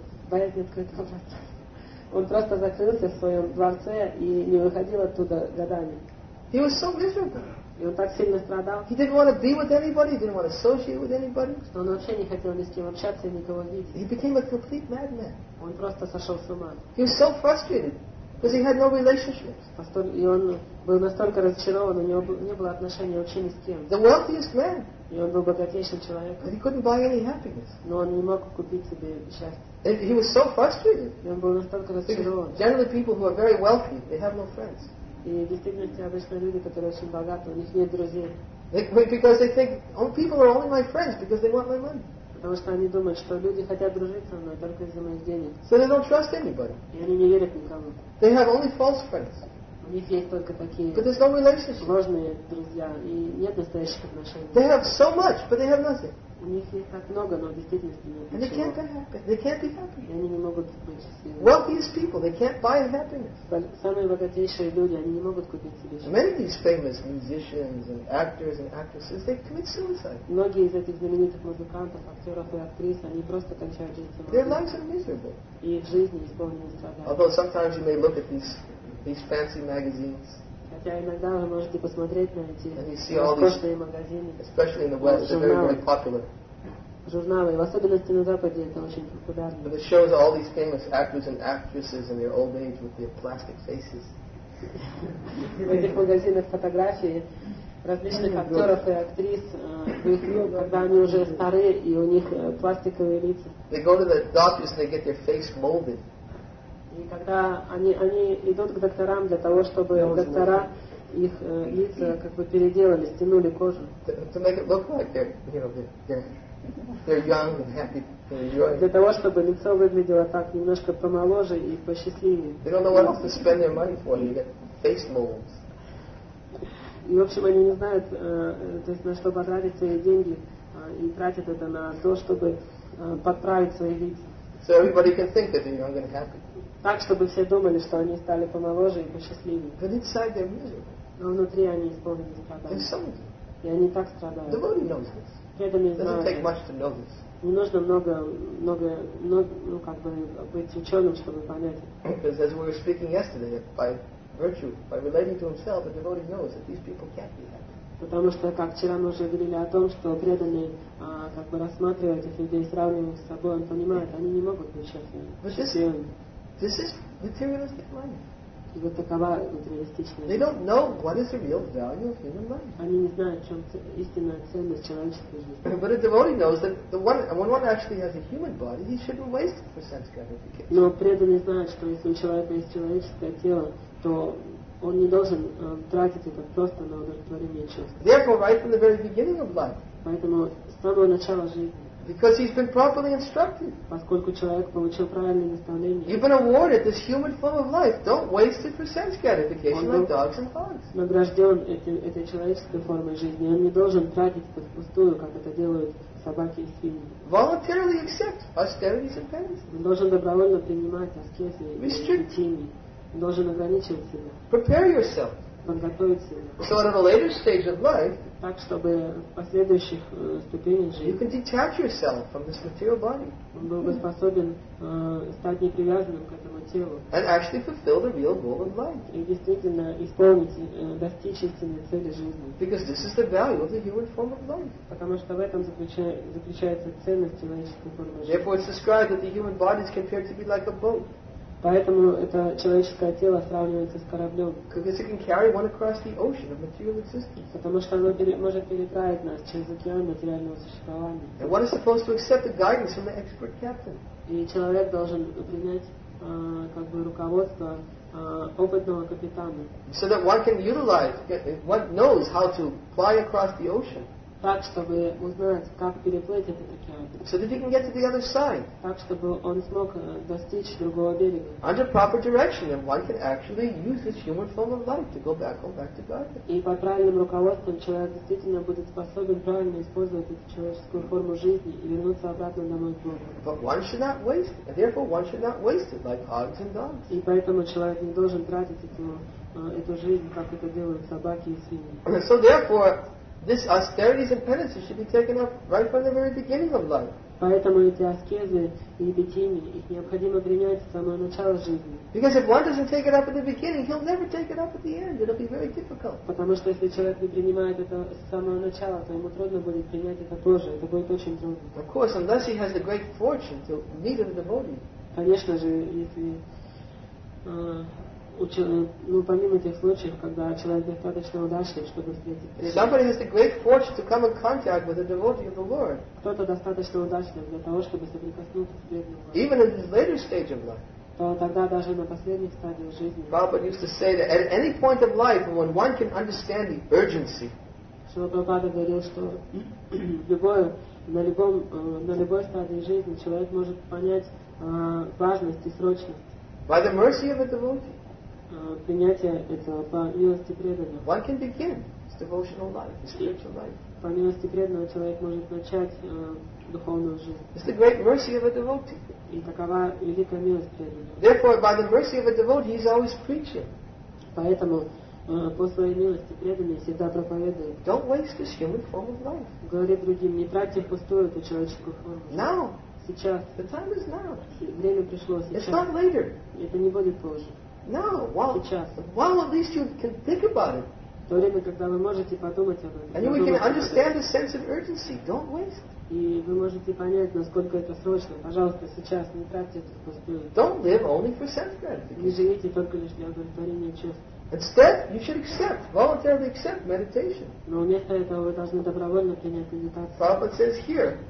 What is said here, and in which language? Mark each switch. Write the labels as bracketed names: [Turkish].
[Russian] Боязнь открытого дворца. Он просто закрылся в своем дворце и не выходил оттуда годами. [English] He was so miserable. [Russian] И он так сильно страдал. [English] He didn't want to be with anybody. He didn't want to associate with anybody. [Russian] Что он вообще не хотел ни с кем общаться и никого видеть. [English] He became a complete madman. [Russian] Он просто сошел с ума. [English] He was so frustrated because he had no relationships. [Russian] И он был настолько разочарован, у него не было отношений вообще ни с кем. [English] The wealthiest man. [Russian] И он был богатейшим человеком. [English] But he couldn't buy any happiness. [Russian] Но он не мог купить себе счастье. [English] And he was so frustrated. [Russian] И он был настолько разочарован. [English] Generally, people who are very wealthy, they have no friends. [Russian] И в действительности обычно люди, которые очень богаты, у них нет друзей. [English] Because they think, oh, people are only my friends because they want my money. [Russian] Потому что они думают, что люди хотят дружить со мной только из-за моих денег. [English] So they don't trust anybody. [Russian] И они не верят никому. [English] They have only false friends. [Russian] У них есть только такие. [English] But there's no relationship. [Russian] Ложные друзья и нет настоящих отношений. [English] They have so much, but they have nothing. [Russian] У них есть так много, но в действительности нет ничего. [English] And they can't be happy. [Russian] И они не могут быть счастливыми. [English] Wealthiest people, they can't buy happiness. [Russian] Самые богатейшие люди, они не могут купить себе счастье. [English] Many of these famous musicians and actors and actresses, they commit suicide. [Russian] Многие из этих знаменитых музыкантов, актеров и актрис, они просто кончают жизнь самоубийством. [English] Their lives are miserable. [Russian] И их жизни исполнены страдания. [English] Although sometimes you may look at these fancy magazines. [Russian] Хотя иногда вы можете посмотреть на эти роскошные магазины, [English] especially in the West, very popular. [Russian] Журналы, в особенности на Западе, это очень популярно. [English] But it shows all these famous actors and actresses in their old age with their plastic faces. [Russian] В этих магазинах фотографии различных актеров и актрис, когда они уже старые и у них пластиковые лица. [English] They go to the doctors and they get their face molded. [Russian] И когда они идут к докторам для того, чтобы доктора их лица как бы переделали, стянули кожу. [English] To make it look like they're young and happy, enjoying. [Russian] Для того, чтобы лицо выглядело так немножко помоложе и посчастливее. [English] They don't know what else to spend their money for. You get face molds. [Russian] И в общем, они не знают, то есть на что потратить свои деньги и тратят это на то, чтобы подправить свои лица. [English] So everybody can think that they're young and happy. [Russian] Так, чтобы все думали, что они стали помоложе и посчастливее. [English] But inside they're miserable. [Russian] Но внутри они исполнены страдания. И они так страдают. [English] The body knows this. [Russian] Преданные знают. [English] It doesn't take much to know this. [Russian] Не нужно много, ну как бы быть ученым, чтобы понять. [English] Because as we were speaking yesterday, by virtue, by relating to himself, the devotee knows that these people can't be happy. [Russian] Потому что, как вчера мы уже говорили о том, что преданные как бы рассматривают этих людей, сравнивают с собой, он понимает, они не могут быть счастливыми. [English] This is materialistic life. [Russian] И вот такова материалистичная жизнь. [English] They don't know what is the real value of human life. [Russian] Они не знают, в чем истинная ценность человеческой жизни. [English] But a devotee knows that when one actually has a human body, he shouldn't waste it for sense gratification. [Russian] Но преданный знает, что если у человека есть человеческое тело, что он не должен тратить это просто на удовлетворение чувств. [English] Therefore, right from the very beginning of life. [Russian] Поэтому с самого начала жизни. [English] Because he's been properly instructed. [Russian] Поскольку человек получил правильное наставление. [English] You've been awarded this human form of life. Don't waste it for sense gratification like dogs and hogs. [Russian] Награжден этой человеческой формой жизни. Он не должен тратить это впустую, как это делают собаки и свиньи. [English] Voluntarily accept austerities and penances. [Russian] Он должен добровольно принимать аскезы и ретини. Он должен ограничивать себя. [English] Prepare yourself. So at a later stage of life, [Russian] так чтобы в последующих ступенях жизни, [English] you can detach yourself from this material body. [Russian] Он был бы способен стать непривязанным к этому телу. [English] And actually fulfill the real goal of life. [Russian] И действительно исполнить, достичь истинной цели жизни. [English] Because this is the value of the human form of life. [Russian] Потому что в этом заключается ценность человеческой формы жизни. [English] Therefore, it's described that the human body is compared to be like a boat. [Russian] Поэтому это человеческое тело сравнивается с кораблем. [English] Because it can carry one across the ocean of material existence. [Russian] Потому что оно может переправить нас через океан материального существования. [English] And one is supposed to accept the guidance from the expert captain. [Russian] И человек должен принять как бы руководство опытного капитана. [English] So that one can utilize, one knows how to fly across the ocean. [Russian] Так, чтобы узнать, как переплыть этот океан. [English] So that he can get to the other side. [Russian] Так, чтобы он смог достичь другого берега. [English] Under proper direction, then one can actually use this human form of life to go back home, back to God. [Russian] И под правильным руководством человек действительно будет способен правильно использовать эту человеческую форму жизни и вернуться обратно домой к Богу. [English] But one should not waste it. Therefore, one should not waste it like hogs and dogs. [Russian] И поэтому человек не должен тратить эту жизнь, как это делают собаки и свиньи. [English] So therefore, this austerities and penances should be taken up right from the very beginning of life. [Russian] Поэтому эти аскезы и бетини, их необходимо принять с самого начала жизни. [English] Because if one doesn't take it up at the beginning, he'll never take it up at the end. It'll be very difficult. [Russian] Потому что если человек не принимает это с самого начала, то ему трудно будет принять это позже. Это будет очень трудно. Of course, unless he has the great fortune to meet a devotee. Конечно же, если помимо тех случаев, когда человек достаточно удачлив, чтобы встретить. Кто-то достаточно удачлив для того, чтобы соприкоснуться с преданным. То тогда даже на последних стадиях жизни. [English] Prabhupada used to say that at any point of life, when one can understand the urgency. [Russian] Прабхупада говорил, что на любой стадии жизни человек может понять важность и срочность. [English] By the mercy of a devotee. [Russian] Принятие этого по милости преданного. [English] One can begin his devotional life, his spiritual life. [Russian] По милости преданного человек может начать духовную жизнь. [English] It's the great mercy of a devotee. [Russian] И такова великая милость преданного. [English] Therefore, by the mercy of a devotee, he is always preaching. [Russian] Поэтому по своей милости преданный всегда проповедует. [English] Don't waste this human form of life. [Russian] Говорит другим, не тратьте впустую эту человеческую форму. [English] Now. [Russian] Сейчас. [English] The time is now. [Russian] Время пришло сейчас. [English] It's not later. [Russian] Это не будет позже. [English] No, while at least you can think about it. [Russian] В то время, когда вы можете подумать об этом. [English] And we can understand the sense of urgency. Don't waste. [Russian] И вы можете понять, насколько это срочно. Пожалуйста, сейчас не тратьте это впустую. [English] Don't live only for sense gratification. [Russian] Не живите только лишь для удовлетворения чувств. [English] Instead, you should accept, voluntarily accept meditation. [Russian] Но вместо этого вы должны добровольно принять медитацию. [English] Prabhupada says here.